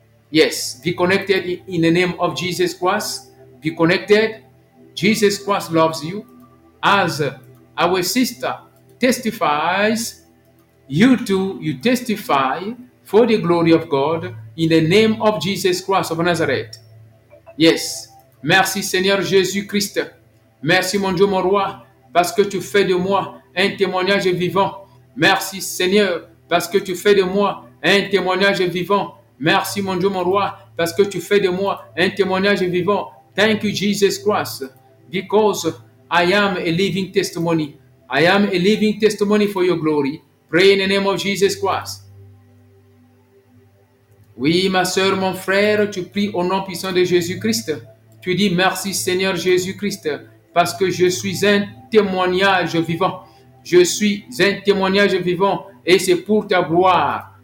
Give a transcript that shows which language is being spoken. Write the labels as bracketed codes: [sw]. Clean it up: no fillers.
[en] Yes, be connected in the name of Jesus Christ. Be connected. Jesus Christ loves you. As our sister testifies, you too, you testify for the glory of God in the name of Jesus Christ of Nazareth. [fr] Yes, merci Seigneur Jésus Christ. Merci mon Dieu, mon roi, parce que tu fais de moi un témoignage vivant. Merci Seigneur, parce que tu fais de moi un témoignage vivant. Merci mon Dieu, mon roi, parce que tu fais de moi un témoignage vivant. [en] Thank you Jesus Christ, because I am a living testimony. I am a living testimony for your glory. Pray in the name of Jesus Christ. [fr] Oui, ma sœur, mon frère, tu pries au nom puissant de Jésus-Christ. Tu dis merci, Seigneur Jésus-Christ, parce que je suis un témoignage vivant. Je suis un témoignage vivant et c'est pour ta gloire.